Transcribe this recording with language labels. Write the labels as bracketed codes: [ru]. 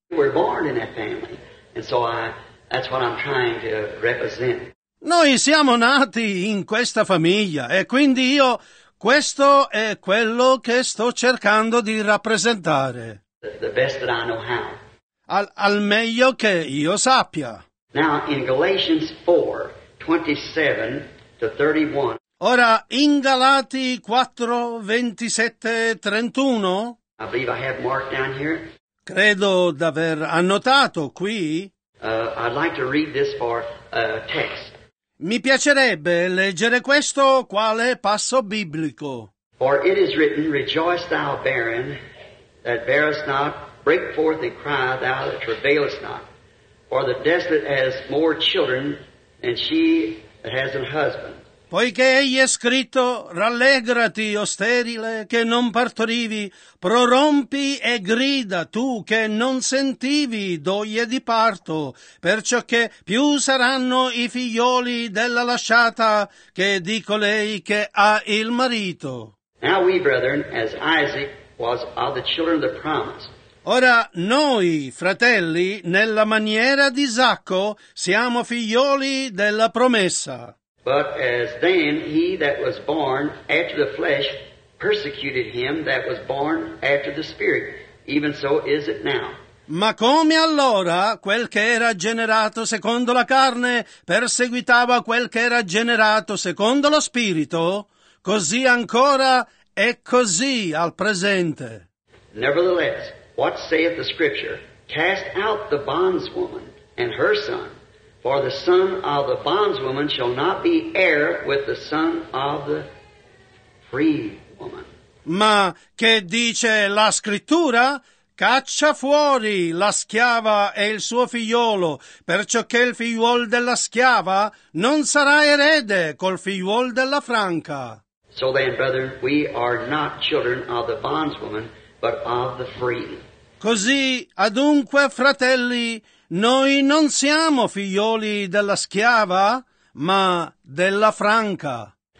[en] We're born in that family. And so that's what I'm trying to represent. [it] Noi siamo nati in questa famiglia e quindi io questo è quello che sto cercando di rappresentare. [en] The best that I know how. [it] Al meglio che io sappia. [en] Now in Galatians 4:27-31. [it] Ora in Galati 4:27-31. [en] I believe I have marked down here. [it] Credo d'aver annotato qui. [en] I'd like to read this for text. [it] Mi piacerebbe leggere questo quale passo biblico. [en] For it is written, rejoice thou barren that bearest not, break forth and cry thou that travailest not. For the desolate has more children than she that has an husband. [it] Poiché egli è scritto, rallegrati, o sterile, che non partorivi, prorompi e grida, tu che non sentivi doglie di parto, perciò che più saranno i figlioli della lasciata che di colei che ha il marito. [en] Now we, brethren, as Isaac was of the children of the promise. [it] Ora noi, fratelli, nella maniera di Isacco, siamo figlioli della promessa. [en] But as then he that was born after the flesh persecuted him that was born after the spirit, even so is it now. [it] Ma come allora quel che era generato secondo la carne perseguitava quel che era generato secondo lo spirito, così ancora è così al presente. [en] Nevertheless, what saith the scripture? Cast out the bondswoman and her son. For the son of the bondswoman shall not be heir with the son of the free woman. [it] Ma che dice la scrittura? Caccia fuori la schiava e il suo figliolo, perciò che il figliuol della schiava non sarà erede col figliuol della franca. [en] So then, brethren, we are not children of the bondswoman, but of the free. [it] Così, adunque, fratelli, noi non siamo figlioli della schiava, ma della franca.